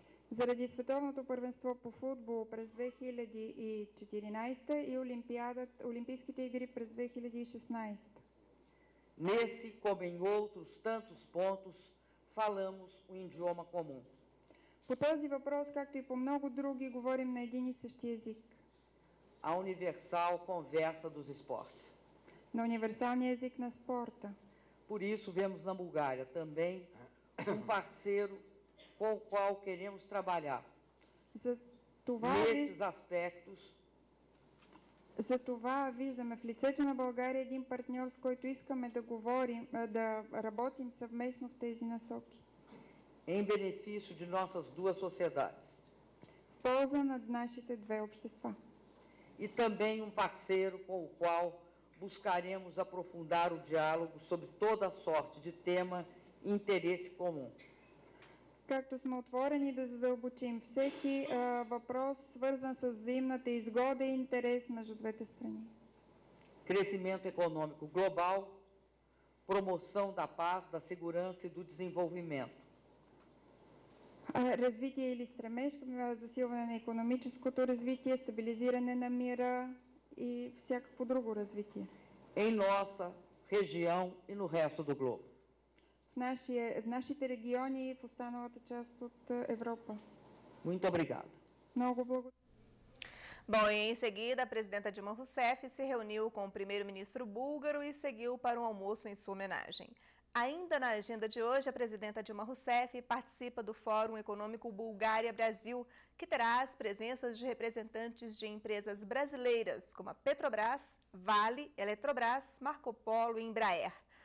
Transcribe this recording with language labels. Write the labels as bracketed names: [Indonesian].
[Bulgarian] Заради световното първенство по футбол през 2014 и олимпийските игри през 2016. [Portuguese] Nesse como em outros tantos pontos falamos um idioma comum. [Bulgarian] По този въпрос, както и по много други, говорим на един и същи език. [Portuguese] A universal conversa dos esportes. [Bulgarian] На универсалния език на спорта. [Portuguese] Por isso vemos na Bulgária também parceiro com o qual queremos trabalhar nesses aspectos. [Bulgarian] За това виждаме в лицето на България един партньор, с който искаме да говорим, да работим съвместно в тези насоки. [Portuguese] Em benefício de nossas duas sociedades. [Bulgarian] В полза на нашите две общества. [Portuguese] E também parceiro com o qual buscaremos aprofundar o diálogo sobre toda sorte de tema e interesse comum. [Bulgarian] Както сме отворени да задълбочим всеки въпрос, свързан с взаимната изгода и интерес между двете страни. [Portuguese] Crescimento econômico global, promoção da paz, da segurança e do desenvolvimento. [Bulgarian] Развитие или стремеж към засилване на икономическото развитие, стабилизиране на мира и всякакво друго развитие. [Portuguese] Em nossa região e no resto do globo. [Bulgarian] В нашите региони и в останалата част от Европа. [Portuguese] Muito obrigado. [Bulgarian] Много благодаря. [Portuguese] Bom, e em seguida, a presidenta Dilma Rousseff se reuniu com o primeiro-ministro búlgaro e seguiu para um almoço em sua homenagem. Ainda na agenda de hoje, a presidenta Dilma Rousseff participa do Fórum Econômico Bulgária-Brasil, que terá as presenças de representantes de empresas brasileiras, como a Petrobras, Vale, Eletrobras, Marco Polo e Embraer.